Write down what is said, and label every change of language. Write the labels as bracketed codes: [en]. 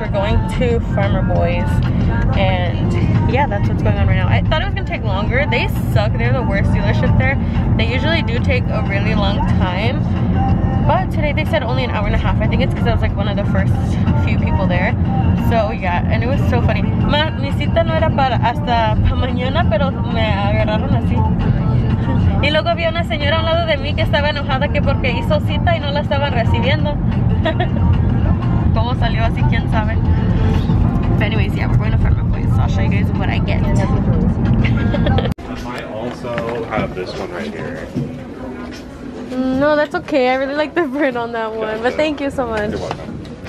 [en] We're going to Farmer Boys. And yeah, that's what's going on right now. I thought it was gonna take longer. They suck. They're the worst dealership there. They usually do take a really long time. But today they said only an hour and a half. I think it's because I was like one of the first few people there. So yeah, and it was so funny. [es] Mi cita no era para hasta mañana, pero me agarraron así. Y luego había una señora al lado de mí que estaba enojada que porque hizo cita y no la estaban recibiendo. Todo salió así, quién sabe. [en] But anyways, yeah, we're going to Farm Boy. So I'll show you guys what I get. I might also have this one right here. No, that's okay. I really like the print on that one. But thank you so much. You're welcome.